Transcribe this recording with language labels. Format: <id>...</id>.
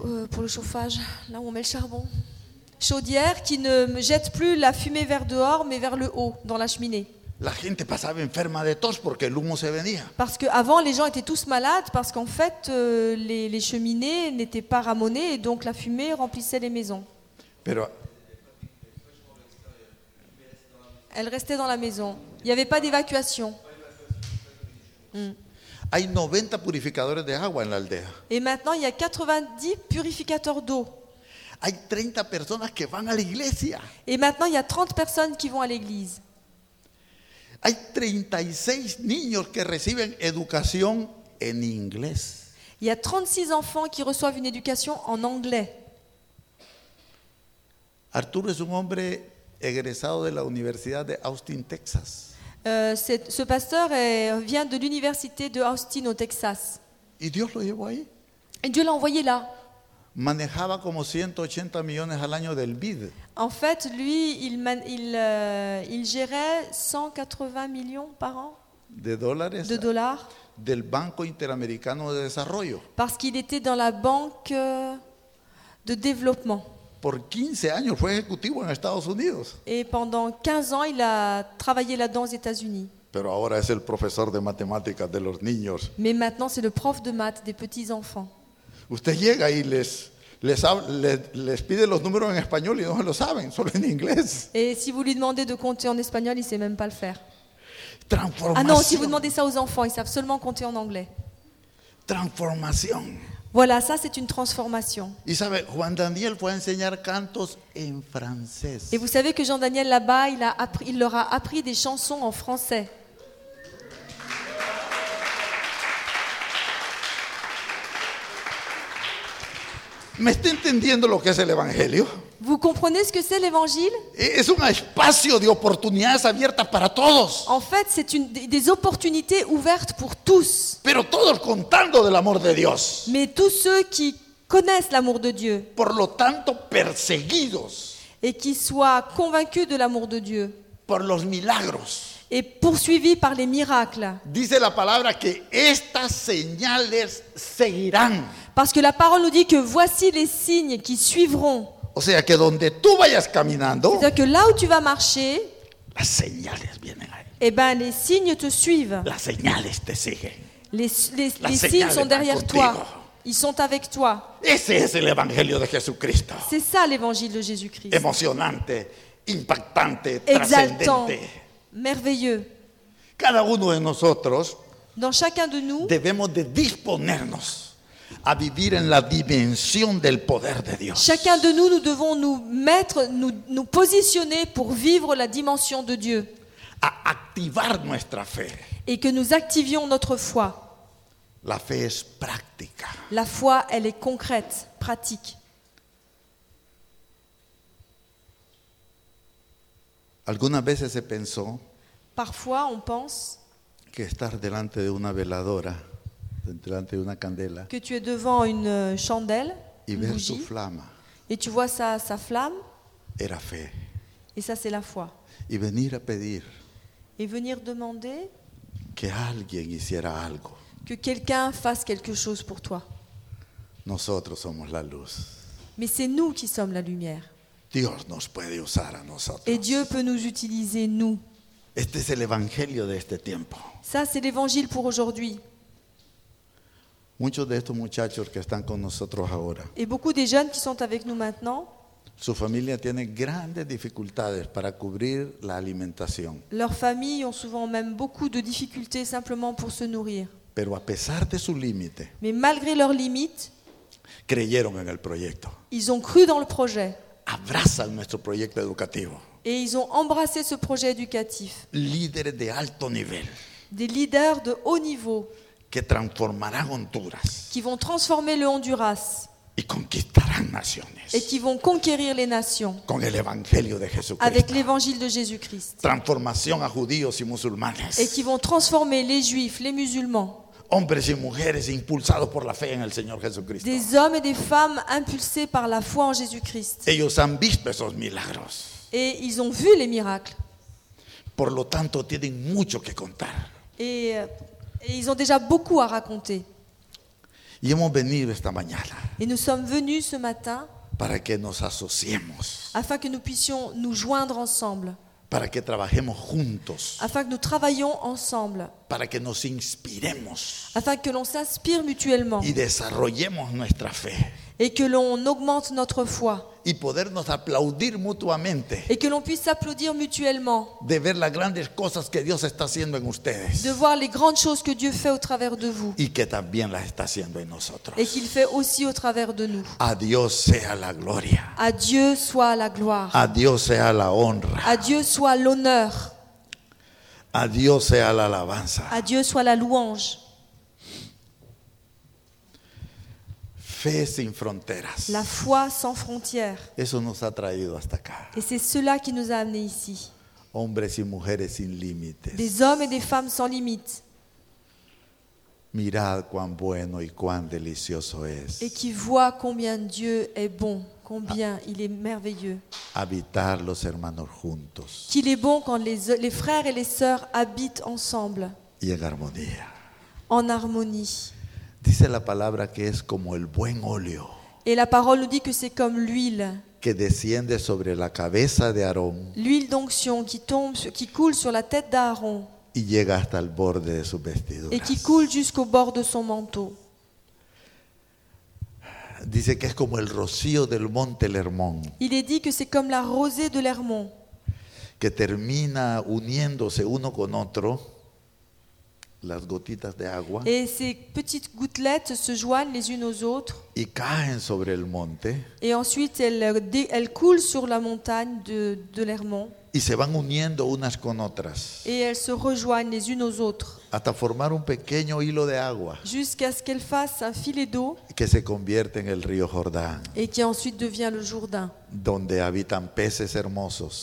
<fr>Pour le chauffage, là où on met le charbon. Chaudières qui ne jettent plus la fumée vers dehors mais vers le haut dans la cheminée.</fr> <es>La gente pasaba enferma de tos porque el humo se venía.</es> <fr>Parce que avant les gens étaient tous malades parce qu'en fait les cheminées n'étaient pas ramonées et donc la fumée remplissait les maisons.</fr> <es>Pero</es> <fr>elle restait dans la maison. Il n'y avait pas d'évacuation.</fr> <es>Hay 90 purificadores de agua en la aldea.</es> <fr>Et maintenant il y a 90 purificateurs d'eau.</fr> <es>Hay 30 personas que van a la iglesia.</es> <fr>Et maintenant il y a 30 personnes qui vont à l'église.</fr> <es>Hay 36 niños que reciben educación en inglés.</es> <fr>Il y a 36 enfants qui reçoivent une éducation en anglais.</fr> <es>Arturo es un hombre egresado de la Universidad de Austin, Texas.</es> <fr>Ce pasteur vient de l'université de Austin au Texas.</fr> <es>Y Dios lo llevó ahí.</es> <fr>Et Dieu l'a envoyé là.</fr> <es>Manejaba como 180 millones al año del BID.</es> <fr>En fait, lui, il gérait 180 millones par an.</fr> <es>De dólares.</es> <fr>De dollars.</fr> <es>Del Banco Interamericano de Desarrollo.</es> <fr>Parce qu'il était dans la banque de développement.</fr> <es>Por 15 años fue ejecutivo en Estados Unidos.</es> <fr>Et pendant 15 ans, il a travaillé là-dedans aux États-Unis.</fr> <es>Pero ahora es el profesor de matemáticas de los niños.</es> <fr>Mais maintenant, c'est le prof de maths des petits enfants.</fr> <es>Usted llega y les pide los números en español y no lo saben, solo en inglés.</es> <fr>Et si vous lui demandez de compter en espagnol, il sait même pas le faire. Transformation. Ah non, si vous demandez ça aux enfants, ils savent seulement compter en anglais. Transformation. Voilà, ça c'est une transformation.</fr> <es>Y sabe, Juan Daniel fue a enseñar cantos en francés.</es> <fr>Et vous savez que Jean Daniel là-bas, il leur a appris des chansons en français.</fr> <es>¿Me está entendiendo lo que es el evangelio?</es> <fr>Vous comprenez ce que c'est l'évangile?</fr> <es>Es un espacio de oportunidades abiertas para todos.</es> <fr>En fait, c'est une des opportunités ouvertes pour tous.</fr> <es>Pero todos contando del amor de Dios.</es> <fr>Mais tous ceux qui connaissent l'amour de Dieu.</fr> <es>Por lo tanto, perseguidos.</es> <fr>Et qui soient convaincus de l'amour de Dieu.</fr> <es>Por los milagros.</es> <fr>Et poursuivis par les miracles.</fr> <es>Dice la palabra que estas señales seguirán.</es> <fr>Parce que la parole nous dit que voici les signes qui suivront.</fr> <es>O sea que donde tú vayas caminando,</es> <fr>c'est-à-dire que là où tu vas marcher,</fr> <es>las señales vienen ahí.</es> <fr>Eh ben, les signes te suivent.</fr> <es>Las señales te siguen.</es> <fr>Les signes sont derrière toi. Ils sont avec toi.</fr> <es>Ese es el evangelio de Jesucristo.</es> <fr>C'est ça l'évangile de Jésus-Christ.</fr> <es>Emocionante, impactante,</es> <fr>exaltant, merveilleux.</fr> <es>Cada uno de nosotros,</es> <fr>dans chacun de nous,</fr> <es>debemos de disponernos a vivir en la dimensión del poder de Dios.</es> <fr>Chacun de nous, nous devons nous mettre, nous positionner pour vivre la dimension de Dieu.</fr> <es>A activar nuestra fe.</es> <fr>Et que nous activions notre foi.</fr> <es>La fe es práctica.</es> <fr>La foi, elle est concrète, pratique.</fr> <es>Algunas veces se pensó.</es> <fr>Parfois, on pense.</fr> <es>Que estar delante de una veladora. Delante de una candela,</es> <fr>que tu es devant une chandelle</fr> <es>y</es> <fr>une</fr> <es>ver</es> <fr>bougie,</fr> <es>su flama,</es> <fr>et tu vois sa flamme</fr> <es>era fe,</es> <fr>et ça c'est la foi</fr> <es>y venir a pedir,</es> <fr>et venir demander</fr> <es>que, alguien hiciera algo,</es> <fr>que quelqu'un fasse quelque chose pour toi.</fr> <es>Nosotros somos la luz,</es> <fr>mais c'est nous qui sommes la lumière.</fr> <es>Dios nos puede usar a nosotros.</es> <fr>Et Dieu peut nous utiliser, nous.</fr> <es>Este es el evangelio de este tiempo.</es> <fr>Ça c'est l'évangile pour aujourd'hui.</fr> <es>Muchos de estos muchachos que están con nosotros ahora.</es> <fr>Et beaucoup des jeunes qui sont avec nous maintenant.</fr> <es>Su familia tiene grandes dificultades para cubrir la alimentación.</es> <fr>Leurs familles ont souvent même beaucoup de difficultés simplement pour se nourrir.</fr> <es>Pero a pesar de su límite.</es> <fr>Mais malgré leurs limites.</fr> <es>Creyeron en el proyecto.</es> <fr>Ils ont cru dans le projet.</fr> <es>Abrazan nuestro proyecto educativo.</es> <fr>Et ils ont embrassé ce projet éducatif.</fr> <es>Líderes de alto nivel.</es> <fr>Des leaders de haut niveau.</fr> <es>Que transformarán Honduras.</es> <fr>Qui vont transformer le Honduras.</fr> <es>Y conquistarán naciones.</es> <fr>Et qui vont conquérir les nations.</fr> <es>Con el evangelio de Jesucristo.</es> <fr>Avec l'évangile de Jésus-Christ.</fr> <es>Transformación a judíos y musulmanes.</es> <fr>Et qui vont transformer les juifs, les musulmans.</fr> <es>Hombres y mujeres impulsados por la fe en el Señor Jesucristo.</es> <fr>Des hommes et des femmes impulsés par la foi en Jésus-Christ.</fr> <es>Ellos han visto esos milagros.</es> <fr>Et ils ont vu les miracles.</fr> <es>Por lo tanto, tienen mucho que contar.</es> <fr>Et ils ont déjà beaucoup à raconter.</fr> <es>Y hemos venido esta mañana.</es> <fr>Et nous sommes venus ce matin.</fr> <es>Para que nos asociemos.</es> <fr>Afin que nous puissions nous joindre ensemble.</fr> <es>Para que trabajemos juntos.</es> <fr>Afin que nous travaillions ensemble.</fr> <es>Para que nos inspiremos.</es> <fr>Afin que l'on s'inspire mutuellement.</fr> <es>Y desarrollemos nuestra fe.</es> <fr>Et que l'on augmente notre foi.</fr> <es>Y podernos aplaudir mutuamente.</es> <fr>Et que l'on puisse applaudir mutuellement.</fr> <es>De ver las grandes cosas que Dios está haciendo en ustedes.</es> <fr>De voir les grandes choses que Dieu fait au travers de vous.</fr> <es>Y que también las está haciendo en nosotros.</es> <fr>Et qu'il fait aussi au travers de nous.</fr> <es>A Dios sea la gloria.</es> <fr>A Dieu soit la gloire.</fr> <es>A Dios sea la honra.</es> <fr>A Dieu soit l'honneur.</fr> <es>A Dios sea la alabanza.</es> <fr>A Dieu soit la louange.</fr> <es>Fe sin fronteras.</es> <fr>La foi sans frontières.</fr> <es>Eso nos ha traído hasta acá.</es> <fr>Et c'est cela qui nous a amenés ici.</fr> <es>Hombres y mujeres sin límites.</es> <fr>Des hommes et des femmes sans limites.</fr> <es>Mirad cuán bueno y cuán delicioso es.</es> <fr>Et qui voit combien Dieu est bon, combien il est merveilleux.</fr> <es>Habitar los hermanos juntos.</es> <fr>Qu'il est bon quand les frères et les sœurs habitent ensemble.</fr> <es>Y en armonía.</es> <fr>En harmonie.</fr> <es>Dice la palabra que es como el buen óleo.</es> <fr>Et la parole nous dit que c'est comme l'huile.</fr> <es>Que desciende sobre la cabeza de Aarón.</es> <fr>L'huile d'onction qui coule sur la tête d'Aaron.</fr> <es>Y llega hasta el borde de sus vestiduras.</es> <fr>Et qui coule jusqu'au bord de son manteau.</fr> <es>Dice que es como el rocío del monte Hermón.</es> <fr>Il est dit que c'est comme la rosée de l'Hermon.</fr> <es>Que termina uniéndose uno con otro. Las gotitas de agua.</es> <fr>Et ces petites gouttelettes se joignent les unes aux autres.</fr> <es>Y caen sobre el monte.</es> <fr>Et ensuite elles coulent sur la montagne de l'Hermon.</fr> <es>y se van uniendo unas con otras.</es> <fr>Et elles se rejoignent les unes aux autres.</fr> <es>Hasta formar un pequeño hilo de agua.</es> <fr>Jusqu'à ce qu'elles fassent un filet d'eau.</fr> <es>Que se convierte en el río Jordán.</es> <fr>Et qui ensuite devient le Jourdain.</fr> <es>Donde habitan peces hermosos.</es>